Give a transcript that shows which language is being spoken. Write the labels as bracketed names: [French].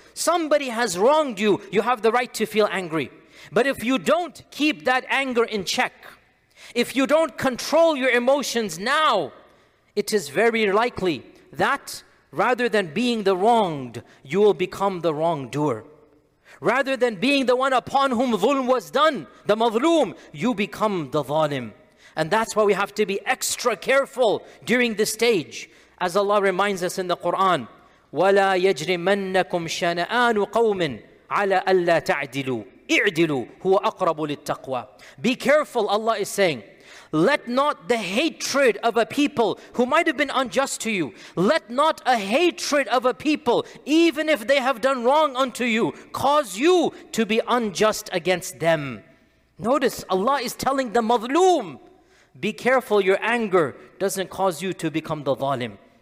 [English] Somebody has wronged you, you have the right to feel angry. But if you don't keep that anger in check, if you don't control your emotions now, it is very likely that rather than being the wronged, you will become the wrongdoer. Rather than being the one upon whom dhulm was done, the mazloom, you become the zalim. And that's why we have to be extra careful during this stage. As Allah reminds us in the Quran, [Arabic] وَلَا يَجْرِمَنَّكُمْ شَنَآنُ قَوْمٍ عَلَىٰ أَلَّا تَعْدِلُوا اِعْدِلُوا هُوَ أَقْرَبُ لِلتَّقْوَىٰ. [English] Be careful, Allah is saying. Let not the hatred of a people who might have been unjust to you, let not a hatred of a people, even if they have done wrong unto you, cause you to be unjust against them. Notice Allah is telling the mazloom, be careful your anger doesn't cause you to become the zalim.